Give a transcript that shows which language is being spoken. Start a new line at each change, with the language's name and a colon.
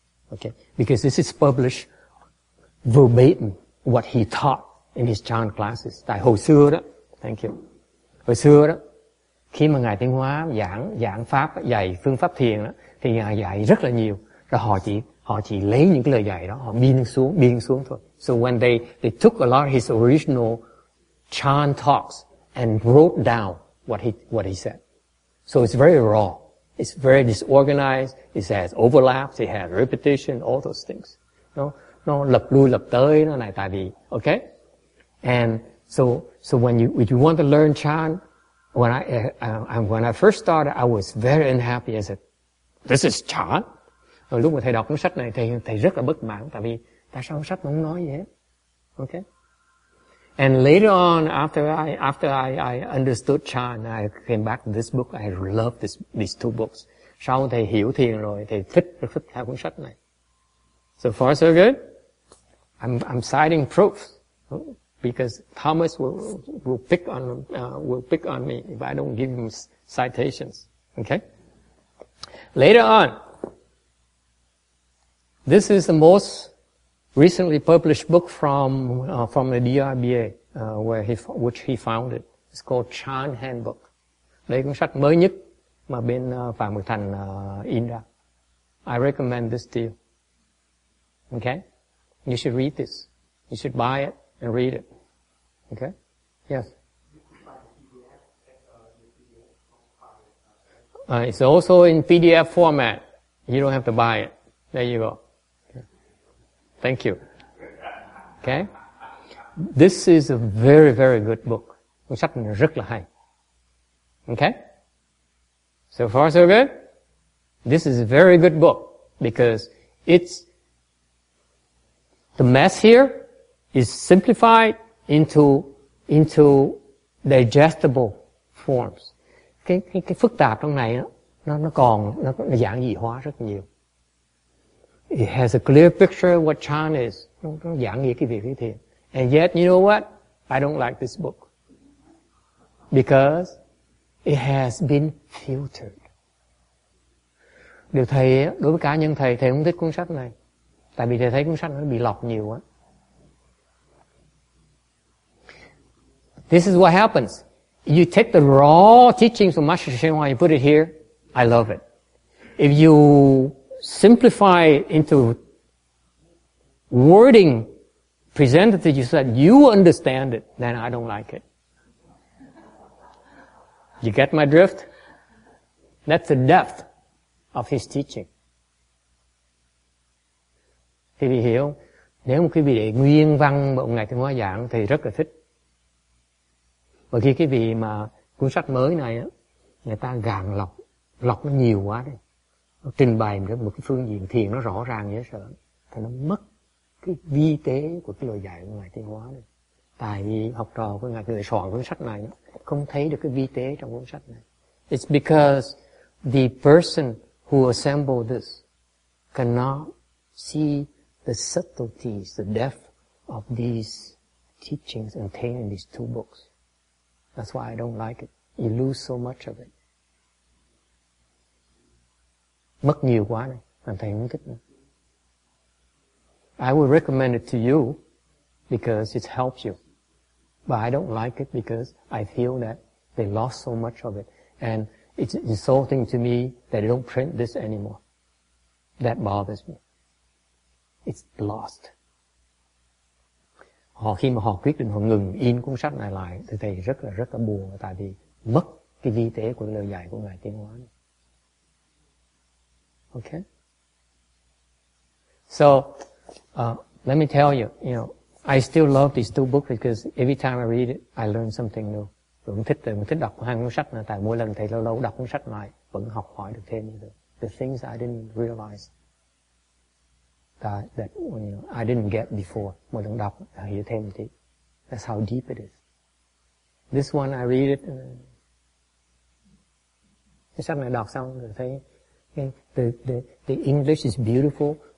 English: Okay, because this is published verbatim what he taught in his Chan classes.
Vietnamese: Tại hồi xưa đó,
English: thank you.
Vietnamese: Hồi xưa đó, khi mà ngài Tiến Hóa giảng pháp, dạy phương pháp thiền đó, thì ngài dạy rất là nhiều. Rồi họ chỉ lấy những cái lời dạy đó, họ biên xuống thôi.
English: So when they took a lot of his original Chan talks and wrote down what he said. So it's very raw. It's very disorganized. It has overlaps. It has repetition. All those things.
Vietnamese: No, lập lui lập tới nó này tại vì, okay?
English: And so when you want to learn Chan, when I first started, I was very unhappy. I said, this is Chan.
Vietnamese: Rồi lúc mà thầy đọc cuốn sách này, thầy rất là bất mãn, tại vì tại sao cuốn sách nó không nói gì hết?
English: Okay. And later on, after I understood Chan, I came back to this book. I love these two books.
Vietnamese: Sau thầy hiểu thiền rồi, thầy rất thích hai cuốn sách này.
English: So far so good. I'm citing proof because Thomas will pick on me if I don't give him citations. Okay. Later on. This is the most recently published book from the DRBA, which he founded. It's called Chan Handbook.
Vietnamese: Đây cuốn sách mới nhất mà bên Phạm Mực Thành in ra.
English: I recommend this to you. Okay? You should read this. You should buy it and read it. Okay? Yes. It's also in PDF format. You don't have to buy it. There you go. Thank you. Okay? This is a very, very good book.
Vietnamese: Cuốn sách này rất là hay.
English: Okay? So far, so good? This is a very good book because it's the mess here is simplified into digestible forms.
Vietnamese: Cái phức tạp trong này nó giản dị hóa rất nhiều.
English: It has a clear picture of what Chan is.
Vietnamese: Nó giảng nghĩa cái việc như thế.
English: And yet, you know what? I don't like this book. Because it has been filtered.
Vietnamese: Điều thầy, đối với cá nhân thầy, thầy không thích cuốn sách này. Tại vì thầy thấy cuốn sách nó bị lọc nhiều quá.
English: This is what happens. You take the raw teachings of Master Shenhua, you put it here. I love it. If you simplify into wording presented to you so that you understand it, then I don't like it. You get my drift? That's the depth of his teaching.
Vietnamese: Thì vì hiểu, nếu một quý vị để nguyên văn một ngày Tiếng Hóa giảng thì rất là thích. Và khi quý vị mà cuốn sách mới này á, người ta gàn lọc nó nhiều quá đấy. Nó trình bày một cái phương diện thiền nó rõ ràng dễ sợ thì nó mất cái vi tế của cái lời dạy của ngài Tiến Hóa này. Tại vì học trò của ngài người soạn cuốn sách này không thấy được cái vi tế trong cuốn sách này.
English: It's because the person who assembled this cannot see the subtleties, the depth of these teachings contained in these two books. That's why I don't like it. You lose so much of it.
Vietnamese: Mất nhiều quá này, làm thầy không thích nữa.
English: I would recommend it to you because it helps you. But I don't like it because I feel that they lost so much of it. And it's insulting to me that they don't print this anymore. That bothers me. It's lost.
Vietnamese: Khi mà họ quyết định họ ngừng in cuốn sách này lại, thì thầy rất là buồn tại vì mất cái vi tế của lời dạy của Ngài Tiến Hóa này.
English: Okay? So, let me tell you, you know, I still love these two books because every time I read it, I learn something new.
Vietnamese: Tôi cũng thích đọc hai cuốn sách này, tại mỗi lần thầy lâu lâu đọc cuốn sách lại, vẫn học hỏi được thêm nhiều.
English: The things I didn't realize that you know, I didn't get before.
Vietnamese: Mỗi lần đọc,
English: I hear
Vietnamese: thêm một tí.
English: That's how deep it is. This one I read it.
Vietnamese: Cái sách này đọc xong rồi thấy okay,
English: the English is beautiful.